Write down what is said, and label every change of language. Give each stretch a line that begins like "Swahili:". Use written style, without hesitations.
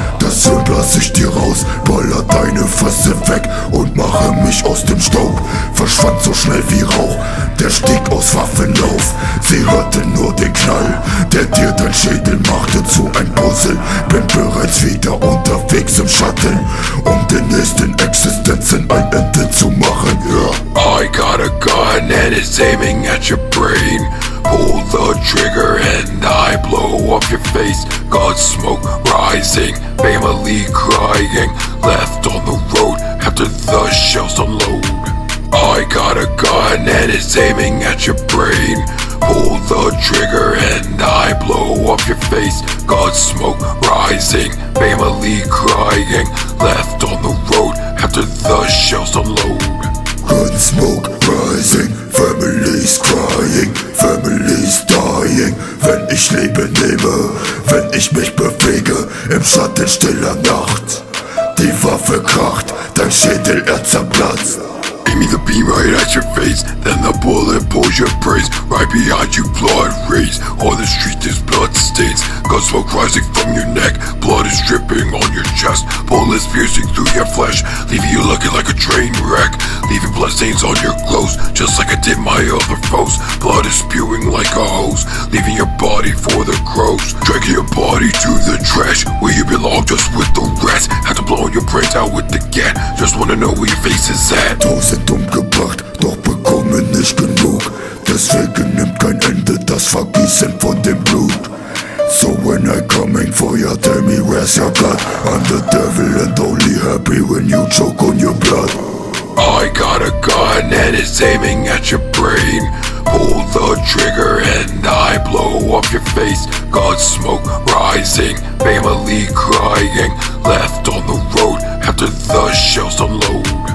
German: Das Hirn lass ich dir raus, baller deine Fresse weg und mache mich aus dem Staub. Verschwand so schnell wie Rauch, der stieg aus Waffenlauf. Sie hörte nur den Knall, der dir dein Schädel machte zu ein Puzzle. Bin bereits wieder unterwegs im Schatten, um den nächsten Existenzen ein Ende zu machen.
English: Yeah. I got a gun and it's aiming at your brain. Pull the trigger and I blow up your face. Got smoke rising, family crying, left on the road after the shells unload. I got a gun and it's aiming at your brain. Pull the trigger and I blow up your face. Got smoke rising, family crying, left on the road after the shells unload. Gun smoke rising, family's crying, family's dying.
German: Wenn ich Liebe nehme, wenn ich mich bewege im Schatten stiller Nacht, die Waffe kracht, dein Schädel er zerplatzt.
English: Aim the beam right at your face, then the bullet pulls your brains. Right behind you, blood rains. On the street, there's blood stains. Gun smoke rising from your neck, blood is dripping on your chest. Bullets piercing through your flesh, leaving you looking like a train wreck. Leaving blood stains on your clothes, just like I did my other foes. Blood is spewing like a hose, leaving your body for the crows. Dragging your body to the trash, where you belong, just with the rest. Had to blow your brains out with the gas, just wanna know where your face is at.
German: Sind umgebracht, doch bekommen nicht genug. Deswegen nimmt kein Ende das Vergießen von dem Blut.
English: So when I coming for ya, tell me where's your God. I'm the devil and only happy when you choke on your blood. I got a gun and it's aiming at your brain. Pull the trigger and I blow up your face. Got smoke rising, family crying, left on the road after the shells unload.